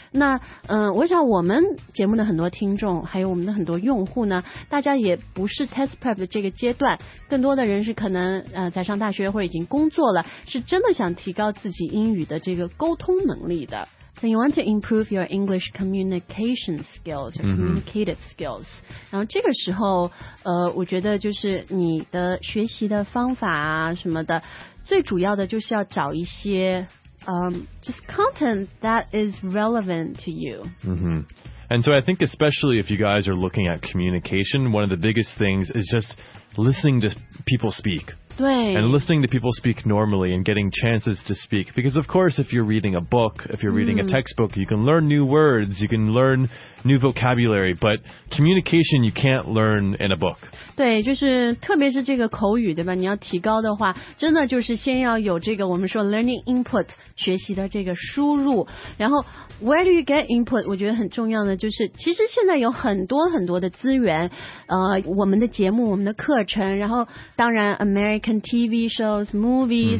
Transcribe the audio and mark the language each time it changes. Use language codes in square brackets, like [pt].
[zh] 那我想我们节目的很多听众还有我们的很多用户呢，大家也不是 test prep 的这个阶段，更多的人是可能在上大学或者已经工作了，是真的想提高自己英语的这个沟通能力的。 [en] So you want to improve your English communication skills, or communicative skills.、 Mm-hmm. [zh] 然后这个时候我觉得就是你的学习的方法啊什么的，最主要的就是要找一些 [en] just content that is relevant to you. Mm-hmm. And so I think especially if you guys are looking at communication, one of the biggest things is just listening to people speak. [zh] 对 [en] and listening to people speak normally and getting chances to speak. Because, of course, if you're reading a book, if you're reading、mm. a textbook, you can learn new words, you can learn new vocabulary. But communication, you can't learn in a book. [zh] 对，就是特别是这个口语，对吧？你要提高的话，真的就是先要有这个我们说 [en] learning input, [zh] 学习的这个输入。然后 [en] where do you get input? [zh] 我觉得很重要的就是，其实现在有很多很多的资源，我们的节目，我们的课程，然后当然 [en] American TV shows, movies,、